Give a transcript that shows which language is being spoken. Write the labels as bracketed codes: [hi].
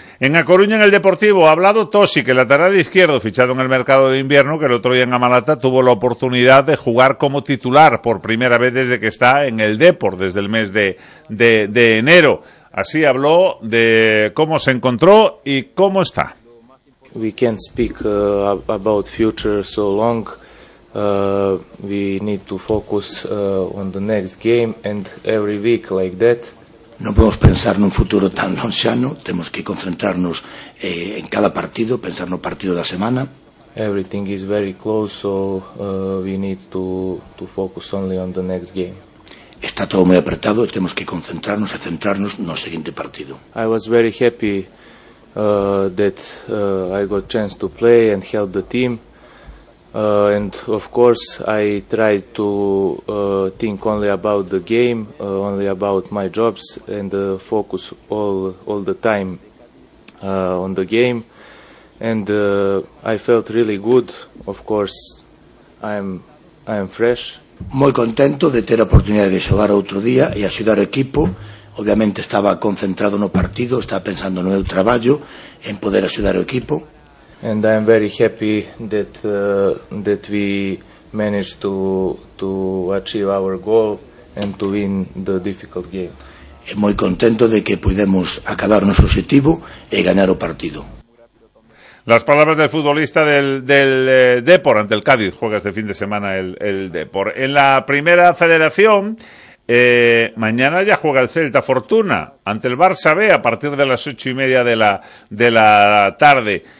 [es] En A Coruña, en el Deportivo, ha hablado Tosi, que lateral izquierdo, fichado en el mercado de invierno, que el otro día en Amalata tuvo la oportunidad de jugar como titular por primera vez desde que está en el Depor, desde el mes de enero. Así habló de cómo se encontró y cómo está. [en] We can't speak about future so long. We need to focus on the next game and every week like that. [es] No podemos pensar en un futuro tan lejano. Tenemos que concentrarnos en cada partido, pensar en un partido de la semana. [en] Everything is very close, so we need to focus only on the next game. [es] Está todo muy apretado. Tenemos que concentrarnos y centrarnos en el siguiente partido. [en] I was very happy that I got chance to play and help the team. And of course, I try to think only about the game, only about my jobs, and focus all the time on the game. And I felt really good. Of course, I am fresh. [es] Muy contento de tener la oportunidad de jugar otro día y ayudar al equipo. Obviamente estaba concentrado en el partido, estaba pensando en el trabajo, en poder ayudar al equipo. [en] And I'm very happy that that we managed to achieve our goal and to win the difficult game. [es] Es muy contento de que pudimos acabar nuestro objetivo y ganar el partido. Las palabras del futbolista del Depor ante el Cádiz. Juega este fin de semana el Depor. En la primera federación, mañana ya juega el Celta Fortuna ante el Barça B a partir de las 8:30 de la tarde.